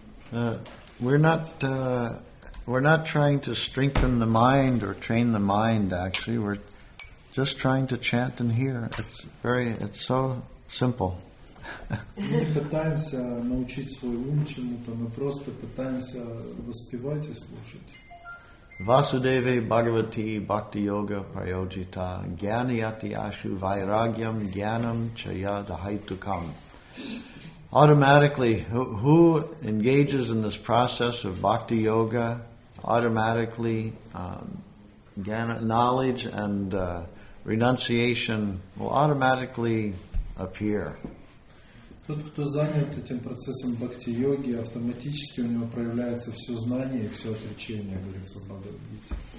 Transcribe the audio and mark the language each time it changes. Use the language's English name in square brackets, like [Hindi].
[English] We're not trying to strengthen the mind or train the mind. Actually, we're just trying to chant and hear. It's so simple. [Russian] Ми пытаемся научить свой ум чему-то, мы просто пытаемся воспевать и слушать. [Sanskrit] Vasudeva Bhagavati Bhakti Yoga Prayojita Gyaniyati Ashu Vairagyam Gyanam Chaya Dahaitukam. [English] Automatically, who engages in this process of bhakti yoga, automatically knowledge and renunciation will automatically appear. [Russian] Тот, кто занят этим процессом бхакти йоги, автоматически у него проявляется все знание и все отречение, говорится в Бхагавад-гите.